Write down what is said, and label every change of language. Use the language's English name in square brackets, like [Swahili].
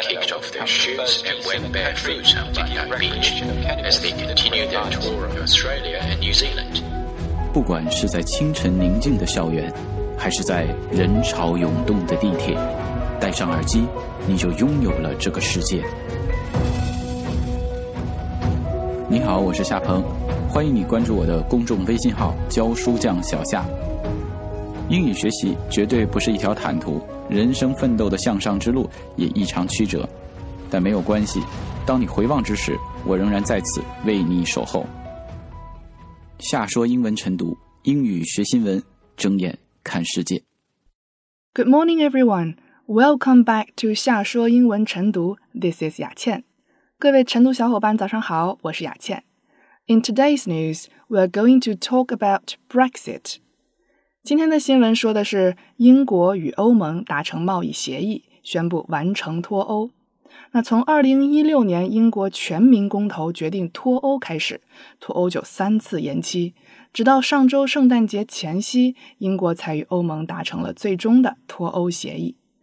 [English] kicked off their shoes and went barefoot on Bondi Beach as they continued their tour of Australia and New Zealand. [Chinese] 不管是在清晨宁静的校园，还是在人潮涌动的地铁，戴上耳机，你就拥有了这个世界。你好，我是夏鹏，欢迎你关注我的公众微信号“教书匠小夏”。英语学习绝对不是一条坦途，人生奋斗的向上之路也异常曲折，但没有关系，当你回望之时，我仍然在此为你守候。夏说英文晨读，英语学新闻，睁眼看世界。 [English] Good morning, everyone. Welcome back to 夏说英文晨读。This is 雅倩。 [Chinese] 各位晨读小伙伴，早上好，我是雅倩。 [English] In today's news, we're going to talk about Brexit. [Chinese] 今天的新闻说的是英国与欧盟达成贸易协议，宣布完成脱欧。那从2016年英国全民公投决定脱欧开始，脱欧就三次延期，直到上周圣诞节前夕，英国才与欧盟达成了最终的脱欧协议。